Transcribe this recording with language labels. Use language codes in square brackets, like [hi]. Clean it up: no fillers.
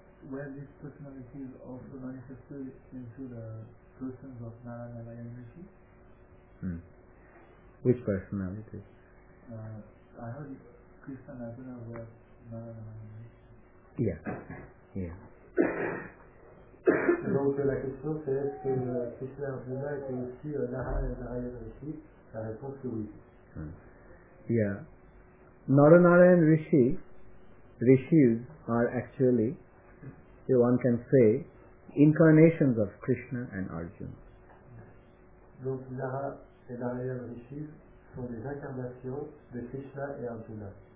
[en] Where this personality is also manifested into the persons of Narayana Narayana Rishi. Which personality? I heard Krishna Narayana was Narayana Narayana Rishi. Yeah. [fr] Donc la question c'est est-ce que Krishna Arjuna est aussi Narayana Narayana Rishi? La réponse est oui. [en] Yeah. Naranarayan Rishis are actually, if one can say, incarnations of Krishna and Arjuna. [fr] Donc Nara et Narayan Rishis sont des incarnations de Krishna et Arjuna.